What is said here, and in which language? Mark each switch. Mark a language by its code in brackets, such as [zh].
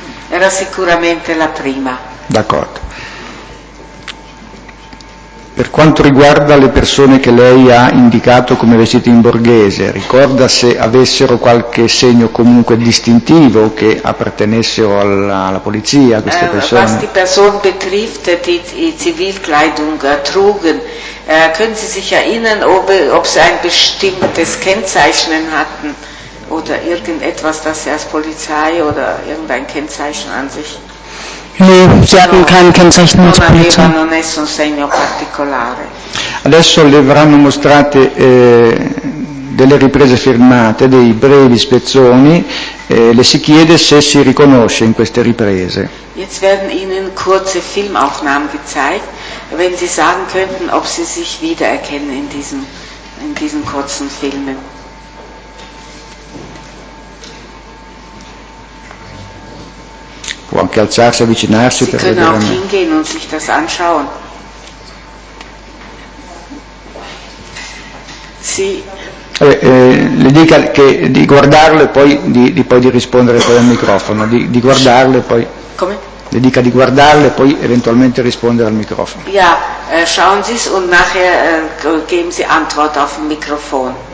[it] Era sicuramente la prima. D'accordo. Per quanto riguarda le persone che lei ha indicato come vestite in borghese, ricorda se avessero qualche segno comunque distintivo che appartenessero alla polizia, a queste persone? [de] Was die Person betrifft, die Zivilkleidung trugen, können Sie sich erinnern, ob sie ein bestimmtes Kennzeichen hatten oder irgendetwas, das sie als Polizei oder irgendein Kennzeichen an sich? Nee, sie hatten kein Kennzeichen als Polizei. [it] Non avevano nessun segno particolare. Adesso le verranno mostrate delle riprese firmate, dei brevi spezzoni, le si chiede se si riconosce in queste riprese. [de] Jetzt werden Ihnen kurze Filmaufnahmen gezeigt, wenn Sie sagen könnten, ob Sie sich wiedererkennen in diesen kurzen Filmen. [it] Può anche alzarsi, avvicinarsi [de] Sie [it] per [de] können [it] vedere [de] auch hingehen und sich das anschauen. [it] Sì. Le dica che di guardarlo e poi di rispondere poi al microfono, di guardarlo e poi. Come? Le dica di guardarlo e poi eventualmente rispondere al microfono. [de] Ja, schauen Sie es und nachher geben Sie Antwort auf dem Mikrofon.